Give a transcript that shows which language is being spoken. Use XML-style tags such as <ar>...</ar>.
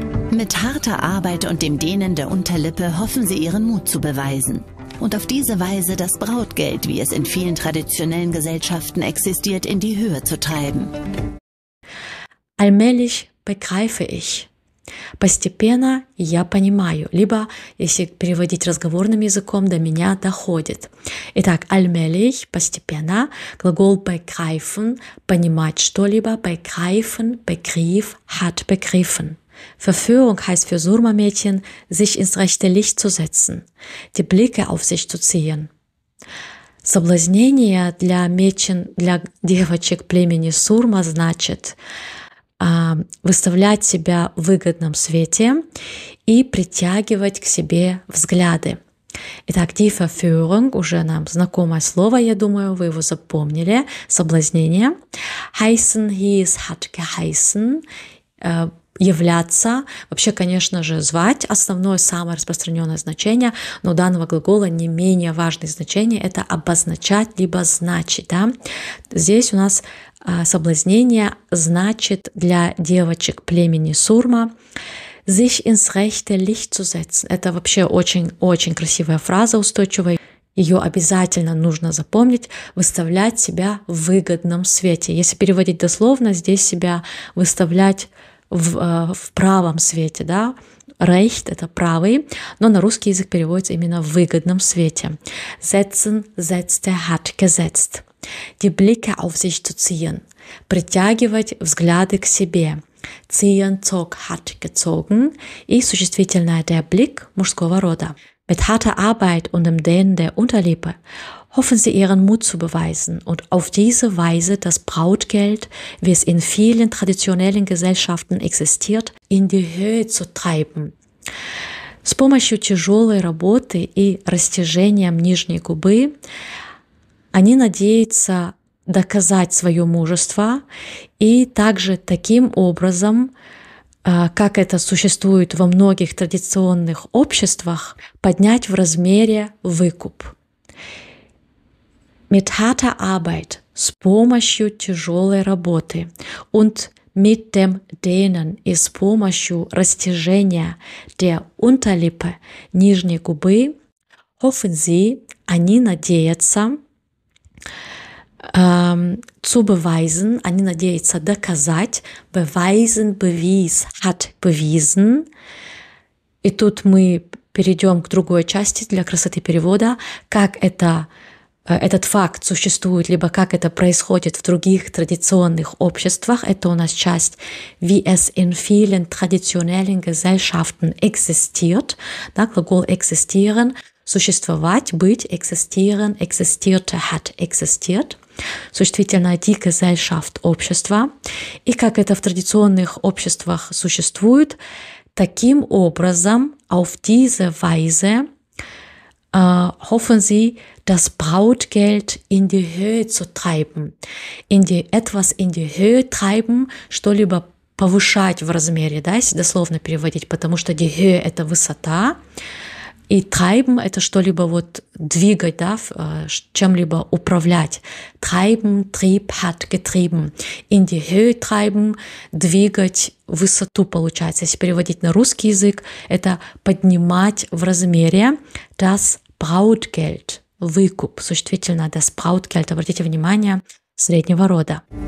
<de>Mit harter Arbeit und dem Dehnen der Unterlippe hoffen sie, ihren Mut zu beweisen. Und auf diese Weise das Brautgeld, wie es in vielen traditionellen Gesellschaften existiert, in die Höhe zu treiben. Allmählich begreife ich.</de> <ru>Постепенно я понимаю. Либо, если переводить разговорным языком, до меня доходит. Итак, allmählich, постепенно. Глагол begreifen, понимать что-либо.</ru> <de>Begreifen, begriff, hat begriffen. Verführung heißt für Surma-Mädchen, sich ins rechte Licht zu setzen, die Blicke auf sich zu ziehen.</de> <ru>Соблазнение для мечен, для девочек племени Сурма значит выставлять себя в выгодном свете и притягивать к себе взгляды. Итак, die Verführung, уже нам знакомое слово, я думаю, вы его запомнили, соблазнение.</ru> <de>Heißen hieß, hat geheißen,</de> <ru>являться, вообще, конечно же, звать, основное, самое распространенное значение, но у данного глагола не менее важное значение – это обозначать, либо значить, да. Здесь у нас соблазнение значит для девочек племени Сурма</ru> <de>«sich ins rechte Licht zu setzen».</de> <ru>Это вообще очень-очень красивая фраза, устойчивая. Ее обязательно нужно запомнить, выставлять себя в выгодном свете. Если переводить дословно, здесь себя выставлять в правом свете, да, recht – это правый, но на русский язык переводится именно в выгодном свете.</ru> <de>Setzen, setzte, hat gesetzt. Die Blicke auf sich zu ziehen.</de> <ru>Притягивать взгляды к себе.</ru> <de>Ziehen, zog, hat gezogen.</de> <ru>И существительное – der Blick мужского рода.</ru> <de>Mit harter Arbeit und dem Dehnen der Unterlippe hoffen sie, ihren Mut zu beweisen und auf diese Weise das Brautgeld, wie es in vielen traditionellen Gesellschaften existiert, in die Höhe zu treiben.</de> <ru>С помощью тяжелой работы и растяжением нижней губы они надеются доказать свое мужество и также таким образом, как это существует во многих традиционных обществах, поднять в размере выкуп.</ru> <de>Mit harter Arbeit,</de> <ru>с помощью тяжелой работы</ru> <de>und mit dem Dehnen</de> <ru>и с помощью растяжения</ru> <de>der Unterlippe,</de> <ru>нижней губы,</ru> <de>hoffen sie,</de> <ru>они надеются,</ru> <de>zu beweisen,</de> <ru>они надеются доказать,</ru> <de>beweisen, bewies, hat bewiesen.</de> <ru>И тут мы перейдем к другой части для красоты перевода, как это, этот факт существует, либо как это происходит в других традиционных обществах. Это у нас часть</ru> <de>«wie es in vielen traditionellen Gesellschaften existiert»,</de> <ru>да, глагол</ru> <de>«existieren»,</de> <ru>«существовать», «быть», «existieren»,</ru> <de>«existierte», «hat existiert»,</de> <ru>существительное «die Gesellschaft», «общество». И как это в традиционных обществах существует, таким образом,</ru> <de>auf diese Weise, hoffen sie, das Brautgeld in die Höhe zu treiben. In die, etwas in die Höhe treiben,</de> <ru>что-либо повышать в размере, да, если дословно переводить, потому что die Höhe – это высота. И treiben – это что-либо вот двигать, да, чем-либо управлять.</ru> <de>Treiben, trieb, hat, getrieben. In die Höhe treiben –</de> <ru>двигать высоту, получается. Если переводить на русский язык, это поднимать в размере das Brautgeld. Выкуп, существительное das Brautgeld, обратите внимание, среднего рода.</ru>